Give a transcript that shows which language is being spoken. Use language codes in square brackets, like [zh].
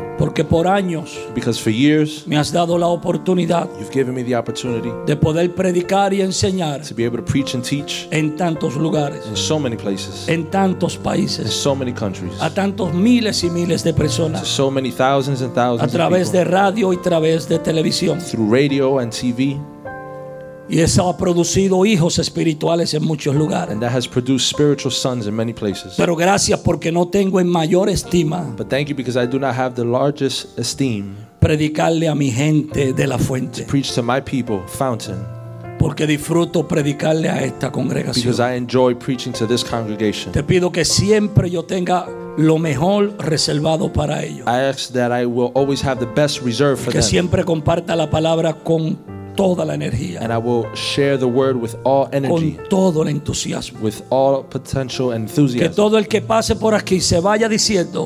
[es] Porque por años. [en] Because for years. [es] Me has dado la oportunidad. [en] You've given me the opportunity. [es] De poder predicar y enseñar. [en] To be able to preach and teach. [es] En tantos lugares. [en] In so many places. [es] En tantos países. [en] In so many countries. [es] A tantos miles y miles de personas. [en] To so many thousands and thousands of people. [es] A través de radio y través de televisión. [en] Through radio and TV. [es] Y eso ha producido hijos espirituales en muchos lugares. [en] And that has produced spiritual sons in many places. [es] Pero gracias porque no tengo en mayor estima. [en] But thank you because I do not have the largest esteem. [es] Predicarle a mi gente de la fuente. [en] To preach to my people, Fountain. [es] Porque disfruto predicarle a esta congregación. [en] Because I enjoy preaching to this congregation. [es] Te pido que siempre yo tenga lo mejor reservado para ellos. [en] I ask that I will always have the best reserve for [es] que [en] them. [es] Que siempre comparta la palabra con toda la energía. [en] And I will share the word with all energy. [es] Con todo el entusiasmo. [en] With all potential and enthusiasm. [es] Que todo el que pase por aquí se vaya diciendo.